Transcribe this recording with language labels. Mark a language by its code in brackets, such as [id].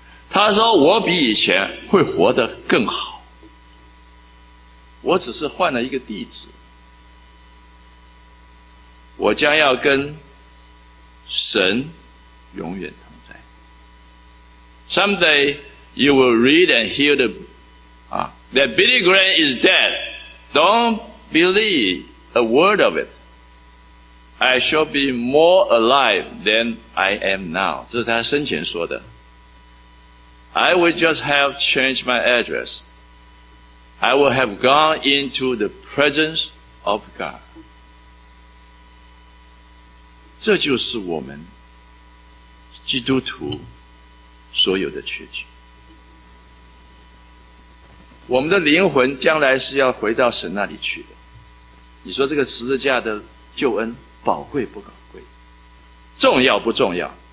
[zh] 他说我比以前会活得更好，我只是换了一个地址，我将要跟神永远。 [en] Someday you will read and hear the, that Billy Graham is dead. Don't believe a word of it. I shall be more alive than I am now. [zh] 这是他生前说的。 [en] I will just have changed my address. I will have gone into the presence of God. [zh] 这就是我们基督徒所有的缺据。我们的灵魂将来是要回到神那里去的。你说这个十字架的救恩宝贵不宝贵？重要不重要？